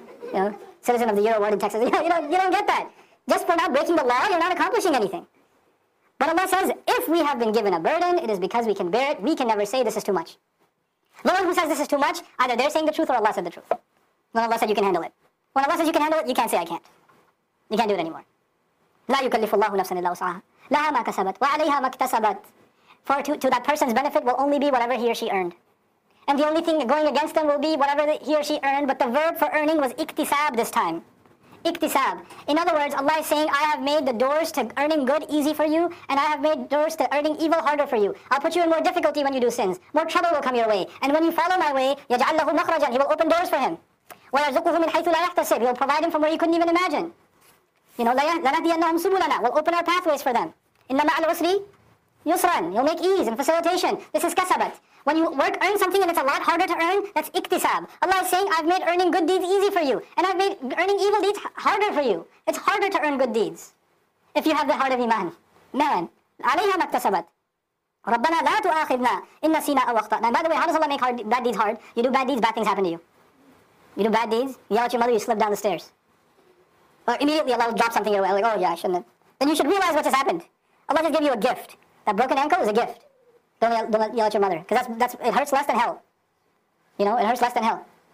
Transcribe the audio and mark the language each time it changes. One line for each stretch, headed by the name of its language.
English: You know, Citizen of the Year award in Texas. You don't get that. Just for not breaking the law, you're not accomplishing anything. But Allah says, if we have been given a burden, it is because we can bear it. We can never say this is too much. The one who says this is too much, either they're saying the truth or Allah said the truth. When Allah said you can handle it. When Allah says you can handle it, you can't say I can't. You can't do it anymore.
Arabic: لا يكلف الله نفسا إلا وسعها لا ما كسبت وعليها ما اكتسبت.
English: For to that person's benefit will only be whatever he or she earned. And the only thing going against them will be whatever he or she earned. But the verb for earning was iktisab this time. Iktisab. In other words, Allah is saying, I have made the doors to earning good easy for you, and I have made doors to earning evil harder for you. I'll put you in more difficulty when you do sins. More trouble will come your way. And when you follow my way,
Arabic: يَجْعَلْ لَهُ مَخْرَجًا.
English: He will open doors for him.
Arabic: وَيَرْزُقُهُ مِنْ حَيْثُ لَا يَحْتَسِبْ.
English: He will provide him from where you couldn't even imagine. You know,
Arabic: لَنَهْدِيَنَّهُمْ سُبُلَنَا.
English: We'll open our pathways for them.
Arabic: إِنَّمَا عَلْ عُسْرِ يُسْرًا.
English: You'll make ease and facilitation. This is كَسَبَتْ. When you work, earn something, and it's a lot harder to earn, that's iktisab. Allah is saying, I've made earning good deeds easy for you, and I've made earning evil deeds harder for you. It's harder to earn good deeds if you have the heart of iman.
Arabic: Man, عليها ما اكتسبت. ربنا لا تؤاخذنا إن نسينا أو أخطأنا.
English: By the way, how does Allah make bad deeds hard? You do bad deeds, bad things happen to you. You do bad deeds, you yell at your mother, you slip down the stairs. Or immediately Allah will drop something your way, like, oh yeah, I shouldn't have. Then you should realize what just happened. Allah just gave you a gift. That broken ankle is a gift. Don't yell at your mother, because that's it hurts less than hell. You know, it hurts less than hell.